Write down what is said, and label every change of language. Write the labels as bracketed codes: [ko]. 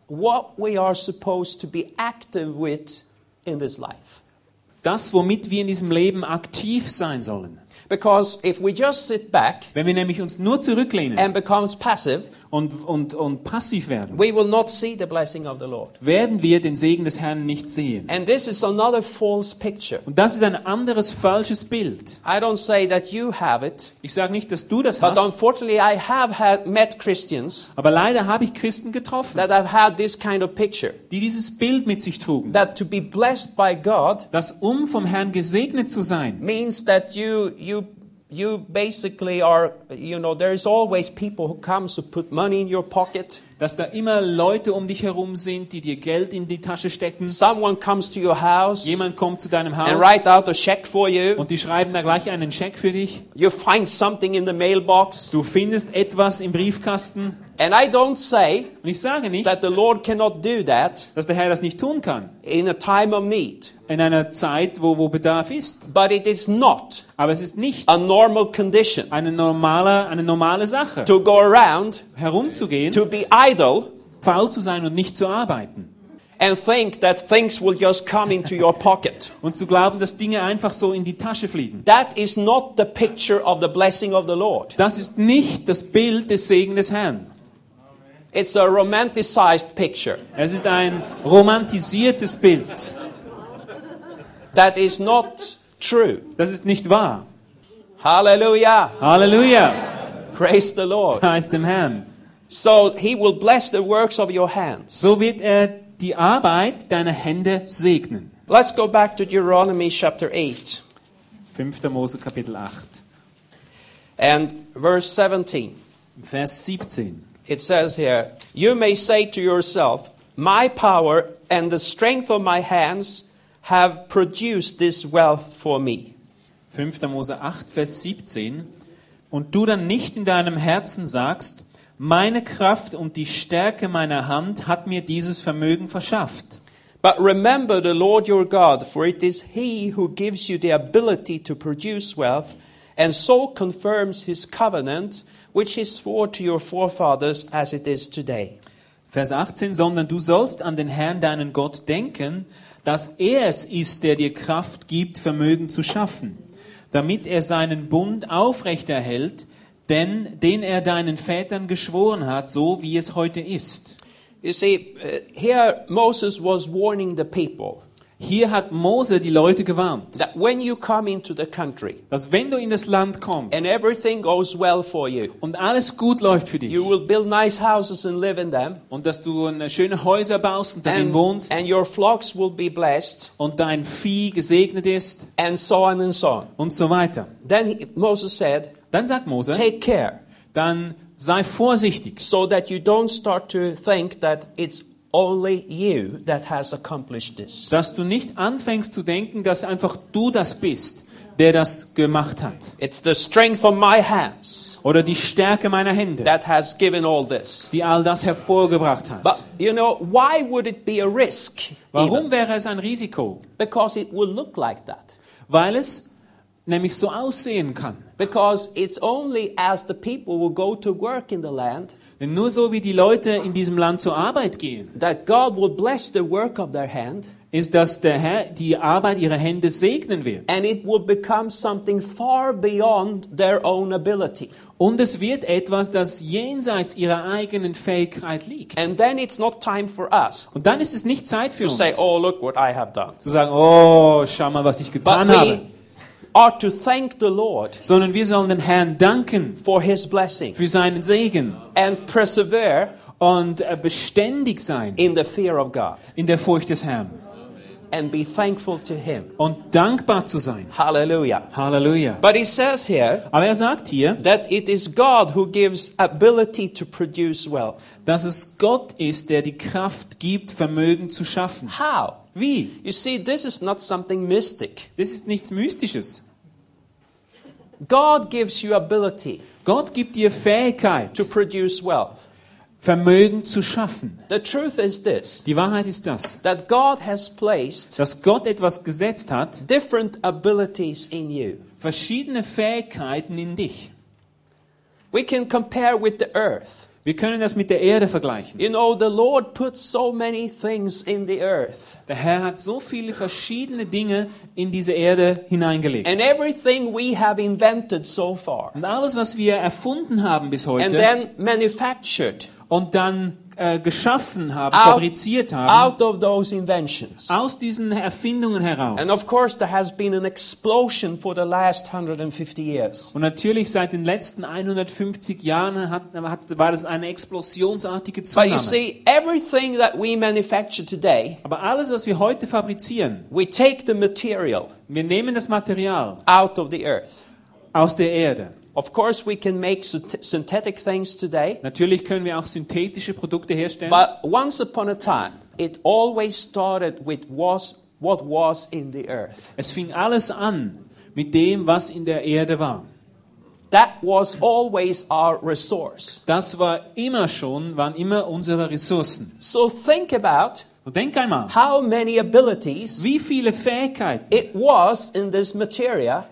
[en] what we are supposed to be active with in this life. [de] Das, womit wir in diesem Leben aktiv sein sollen. [en] Because if we just sit back, [de] wenn wir nämlich uns nur zurücklehnen [en] and becomes passive, [de] und passiv werden, [en] we will not see the blessing of the Lord. [de] Werden wir den Segen des Herrn nicht sehen. [en] And this is another false picture. [de] Und das ist ein anderes falsches Bild. [en] I don't say that you have it, [de] ich sage nicht, dass du das [en] but [de] hast. [en] Unfortunately I have had met Christians, [de] aber leider habe ich Christen getroffen, [en] that have had this kind of picture, [de] die dieses Bild mit sich trugen. [en] That to be blessed by God, [de] dass vom Herrn gesegnet zu sein, [en] means that you basically are, you know, there is always people who come to put money in your pocket. [de] Dass da immer Leute dich herum sind, die dir Geld in die Tasche stecken. [en] Someone comes to your house. [de] Jemand kommt zu deinem Haus. [en] And write out a check for you. [de] Und die schreiben da gleich einen Scheck für dich. [en] You find something in the mailbox. [de] Du findest etwas im Briefkasten. [en] And I don't say, [de] und ich sage nicht, [en] that the Lord cannot do that, [de] dass der Herr das nicht tun kann. [en] In a time of need. [de] In einer Zeit, wo Bedarf ist. [en] But it is not. [de] Aber es ist nicht [en] a normal condition. [de] Eine normale Sache. [en] To go around, [de] herumzugehen, [en] to be idle, [de] faul zu sein und nicht zu arbeiten. [en] And think that things will just come into your pocket. [de] Und zu glauben, dass Dinge einfach so in die Tasche fliegen. [en] That is not the picture of the blessing of the Lord. [de] Das ist nicht das Bild des Segens des Herrn. [en] It's a romanticized picture. [de] Es ist ein romantisiertes Bild. [en] That is not true. [de] Das ist nicht wahr. [en] Hallelujah. [de] Hallelujah. [en] Praise the Lord. [de] Preis dem Herrn. [en] So he will bless the works of your hands. [de] So wird die Arbeit deiner Hände segnen. [en] Let's go back to Deuteronomy chapter 8. [de] 5. Mose Kapitel 8. [en] And verse 17. [de] Vers 17. [en] It says here, you may say to yourself, my power and the strength of my hands have produced this wealth for me. [de] 5. Mose 8, Vers 17. Und du dann nicht in deinem Herzen sagst, meine Kraft und die Stärke meiner Hand hat mir dieses Vermögen verschafft. [en] But remember the Lord your God, for it is he who gives you the ability to produce wealth and so confirms his covenant, which he swore to your forefathers as it is today. [de] Vers 18, sondern du sollst an den Herrn deinen Gott denken, dass er es ist, der dir Kraft gibt, Vermögen zu schaffen, damit er seinen Bund aufrechterhält, den er deinen Vätern geschworen hat, so wie es heute ist. [en] You see, here Moses was warning the people. [de] Hier hat Mose die Leute gewarnt. [en] That when you come into the country, [de] dass wenn du in das Land kommst, [en] and everything goes well for you, [de] und alles gut läuft für dich, [en] you will build nice houses and live in them, [de] und dass du eine schöne Häuser baust und darin wohnst, [en] and your flocks will be blessed, [de] und dein Vieh gesegnet ist, [en] and so on and so on, [de] und so weiter. [en] Then Moses said, [de] dann sagt Mose, [en] take care, [de] dann sei vorsichtig, [en] so that you don't start to think that it's only you that has accomplished this. [de] Dass du nicht anfängst zu denken, dass einfach du das bist, der das gemacht hat. [en] It's the strength of my hands. [de] Oder die Stärke meiner Hände. [en] That has given all this. [de] Die all das hervorgebracht hat. [en] But you know, why would it be a risk? [de] Warum wäre es ein Risiko? [en] Because it will look like that. [de] Weil es nämlich so aussehen kann. [en] Because it's only as the people will go to work in the land. [de] Denn nur so, wie die Leute in diesem Land zur Arbeit gehen, [en] that God will bless the work of their hand, [de] ist, dass der Herr die Arbeit ihrer Hände segnen wird. [en] And it will become something far beyond their own ability. [de] Und es wird etwas, das jenseits ihrer eigenen Fähigkeit liegt. [en] And then it's not time for us, [de] und dann ist es nicht Zeit für [en] to [de] uns, [en] say, oh, look what I have done, [de] zu sagen, oh, schau mal, was ich getan [en] but [de] habe. [en] Are to thank the Lord, [de] sondern wir sollen dem Herrn danken [en] for his blessing, [de] für seinen Segen, [en] and persevere, [de] und beständig sein [en] in the fear of God, [de] in der Furcht des Herrn, [en] and be thankful to him, [de] und dankbar zu sein. [en] Hallelujah. [de] Hallelujah. [en] But he says here, [de] aber er sagt hier, [en] that it is God who gives ability to produce wealth, [de] dass es Gott ist, der die Kraft gibt, Vermögen zu schaffen. [en] How? [de] Wie? [en] You see, this is not something mystic. [de] Das ist nichts Mystisches. [en] God gives you ability. [de] Gott gibt dir Fähigkeit, [en] to produce wealth, [de] Vermögen zu schaffen. [en] The truth is this. [de] Die Wahrheit ist das. [en] That God has placed, [de] dass Gott etwas gesetzt hat, [en] different abilities in you, [de] verschiedene Fähigkeiten in dich. [en] We can compare with the earth. [de] Wir können das mit der Erde vergleichen. [en] You know, the Lord put so many things in the earth. [de] Der Herr hat so viele verschiedene Dinge in diese Erde hineingelegt. [en] And everything we have invented so far. [de] Und alles, was wir erfunden haben bis heute. [en] And then manufactured. [de] Und dann geschaffen haben, fabriziert haben. [en] Out of those inventions. [de] Aus diesen Erfindungen heraus. [en] And of course there has been an explosion for the last 150 years. [de] Und natürlich seit den letzten 150 Jahren war das eine explosionsartige Zunahme. [en] But you see, everything that we manufacture today, [de] aber alles, was wir heute fabrizieren, [en] we take the material, [de] wir nehmen das Material [en] out of the earth, [de] aus der Erde. [en] Of course we can make synthetic things today. [de] Natürlich können wir auch synthetische Produkte herstellen. [en] But once upon a time, it always started with what was in the earth. [de] Es fing alles an mit dem, was in der Erde war. [en] That was always our resource. [de] Das war immer schon, waren immer unsere Ressourcen. [en] So think about, [de] denk einmal, [en] how many abilities, [de] wie viele Fähigkeiten, [en] it was in this material,